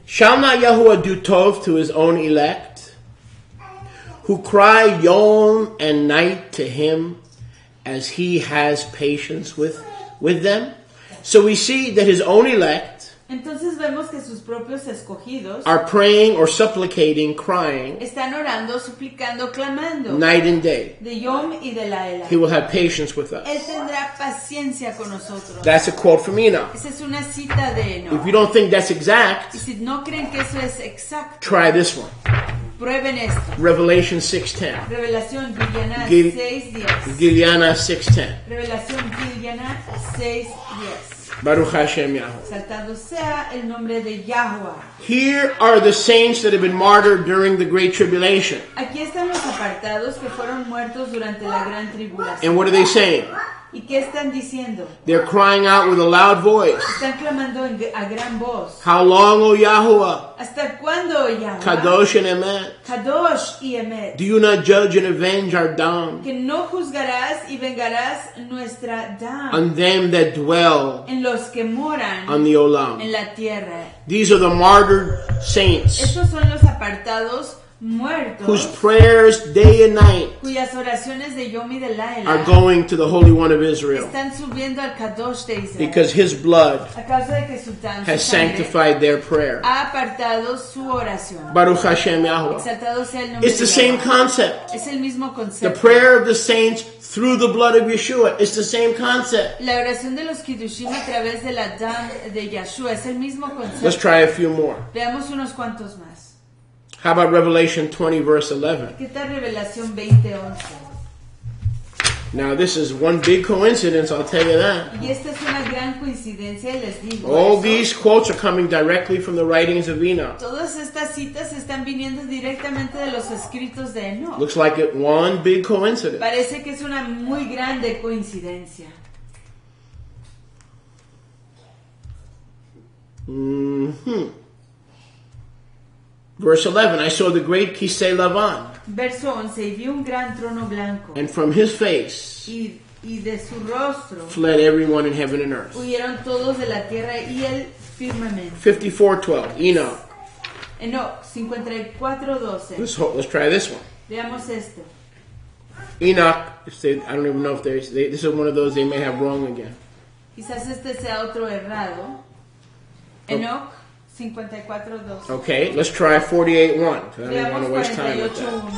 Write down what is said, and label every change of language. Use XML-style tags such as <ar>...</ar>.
<en>Shall not Yahuwah do tov to his own elect, who cry yom and night to him, as he has patience with them? So we see that his own elect,</en> <es>entonces vemos que sus propios escogidos,</es> <en>are praying or supplicating, crying,</en> <es>están orando, suplicando, clamando,</es> <en>night and day,</en> <es>de yom y de laila.</es> <en>He will have patience with us.</en> <es>Él tendrá paciencia con nosotros.</es> <en>That's a quote from Enoch.</en> <es>Esa es una cita de Enoch.</es> <en>If you don't think that's exact,</en> <es>y si no creen que eso es exacto,</es> <en>try this one.</en> <es>Prueben esto.</es> <en>Revelation 6:10.</en> <es>Revelación Giliana 6:10. Giliana 6:10. Revelación Giliana 6:10.</es> <he>Baruch Hashem Yahweh.</he> <es>Saltado sea el nombre de Yahweh.</es> <en>Here are the saints that have been martyred during the Great Tribulation.</en> <es>Aquí están los apartados que fueron muertos durante la Gran Tribulación.</es> <en>And what are they saying?</en> <es>¿Y qué están diciendo?</es> <en>They're crying out with a loud voice.</en> <es>Están clamando a gran voz.</es> <en>How long, O Yahuwah?</en> <es>¿Hasta cuándo, Yahuwah?</es> <en>Kadosh and Emet.</en> <es>Kadosh y Emet.</es> <en>Do you not judge and avenge our dam?</en> <es>Que no juzgarás y vengarás nuestra dam.</es> <en>On them that dwell.</en> <es>En los que moran.</es> <en>On the Olam.</en> <es>En la tierra.</es> <en>These are the martyred saints.</en> <es>Estos son los apartados. Muertos,</es> <en>whose prayers day and night</en> <es>cuyas oraciones de Yom y de Laila</es> <en>are going to the Holy One of Israel,</en> <es>están subiendo al Kadosh de Israel</es> <en>because His blood</en> <es>a causa de que su tan</es> <en>has sanctified their prayer.</en> <es>Ha apartado su oración.</es> <he>Baruch Hashem Yahuwah.</he> <es>Exaltado sea el nombre.</es> <en>It's the same concept.</en> <es>Es el mismo concepto.</es> <en>The prayer of the saints through the blood of Yeshua. It's the same concept.</en> <es>La oración de los Kiddushim a través de la dam de Yeshua es el mismo concepto.</es> <en>Let's try a few more.</en> <es>Veamos unos cuantos más.</es> <en>How about Revelation 20, verse 11?</en> <es>¿Qué tal Revelación 20, 11?</es> <en>Now, this is one big coincidence, I'll tell you that.</en> <es>Y esta es una gran coincidencia, les digo.</es> <en>All these quotes are coming directly from the writings of Enoch.</en> <es>Todas estas citas están viniendo directamente de los escritos de Enoch.</es> <en>Looks like it one big coincidence.</en> <es>Parece que es una muy grande coincidencia.</es> <en>Verse 11, I saw the great</en> <he>Kiseh Lavan.</he> <es>Verso 11, y vi un gran trono blanco.</es> <en>And from his face</en> <es>y de su rostro</es> <en>fled everyone in heaven and earth.</en> <es>Huyeron todos de la tierra y el firmamento.</es> <en>54:12, Enoch.</en> <es>Enoch, 54:12.</es> <en>Let's try this one.</en> <es>Veamos esto.</es> <en>Enoch, I don't even know if there's. This is one of those they may have wrong again.</en> <es>Quizás este sea otro errado.</es> <en>Enoch. Oh. 54, okay, let's try 48:1. I don't want to waste time with that.</en>